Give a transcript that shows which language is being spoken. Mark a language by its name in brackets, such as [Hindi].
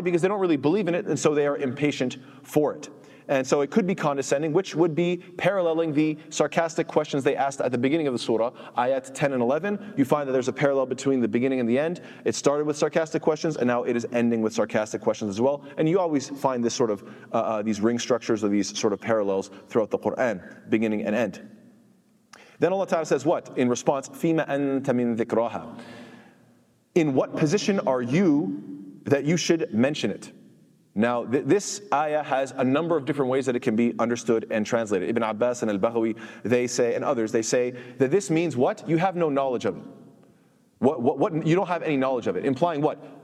[English] Because they don't really believe in it, and so they are impatient for it. And so it could be condescending, which would be paralleling the sarcastic questions they asked at the beginning of the surah, ayat 10 and 11. You find that there's a parallel between the beginning and the end. It started with sarcastic questions, and now it is ending with sarcastic questions as well. And you always find this sort of, these ring structures or these sort of parallels throughout the Quran, beginning and end. Then Allah Ta'ala says what? In response, [Arabic] فِيمَ أَنْتَ مِنْ ذِكْرَاهَا. [English] In what position are you that you should mention it? Now, this ayah has a number of different ways that it can be understood and translated. Ibn Abbas and Al-Baghawi, they say, and others, they say that this means what? You have no knowledge of it. What? You don't have any knowledge of it. Implying what?